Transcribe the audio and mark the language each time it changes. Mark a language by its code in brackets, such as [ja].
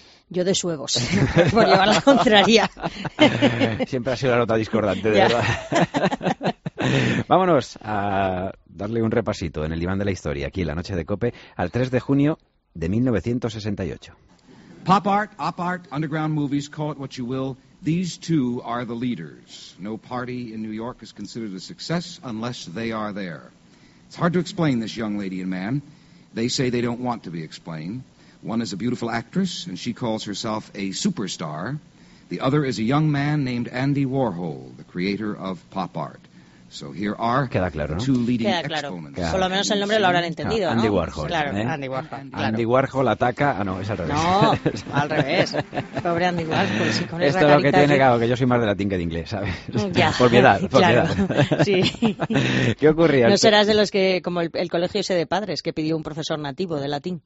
[es] Yo de su egos, por llevar la contraria. Siempre ha sido la nota discordante, de verdad. Vámonos a darle un repasito en el diván de la historia, aquí en la noche de COPE, al 3 de junio de 1968. [en] Pop art, op art, underground movies, call it what you will. These two are the leaders. No party in New York is considered a success unless they are there. It's hard to explain this young lady and man. They say they don't want to be explained. One is a beautiful actress, and she calls herself a superstar. The other is a young man named Andy Warhol, the creator of pop art. So here are two leading exponents. [es] Queda claro. Por lo menos el nombre lo habrán entendido, ¿no? Andy Warhol. Claro, ¿eh? Andy Warhol. Claro. Andy Warhol ataca... Ah, no, es al revés. No, al revés. Pobre Andy Warhol. Sí, con esto esa es lo que tiene, claro, que yo soy más de latín que de inglés, ¿sabes? Ya. Por mi edad, por claro. mi edad. Sí. ¿Qué ocurría? No serás de los que, como el colegio ese de padres, que pidió un profesor nativo de latín.